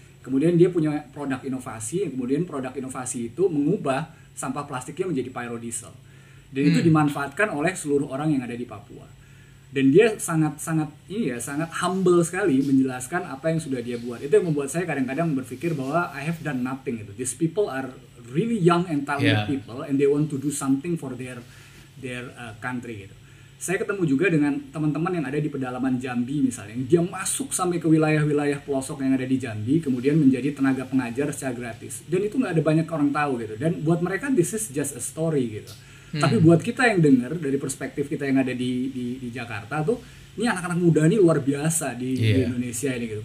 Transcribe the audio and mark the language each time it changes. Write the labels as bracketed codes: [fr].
[id] Kemudian dia punya produk inovasi, kemudian produk inovasi itu mengubah sampah plastiknya menjadi pyrodiesel. Dan itu dimanfaatkan oleh seluruh orang yang ada di Papua. Dan dia sangat-sangat ini ya, sangat humble sekali menjelaskan apa yang sudah dia buat. Itu yang membuat saya kadang-kadang berpikir bahwa [en] I have done nothing [id] itu. [en] These people are really young and talented people and they want to do something for their country gitu. [id] Saya ketemu juga dengan teman-teman yang ada di pedalaman Jambi misalnya, yang dia masuk sampai ke wilayah-wilayah pelosok yang ada di Jambi, kemudian menjadi tenaga pengajar secara gratis. Dan itu nggak ada banyak orang tahu gitu. Dan buat mereka [en] this is just a story [id] gitu. Tapi buat kita yang dengar dari perspektif kita yang ada di Jakarta tuh, ini anak-anak muda ini luar biasa di Indonesia ini gitu.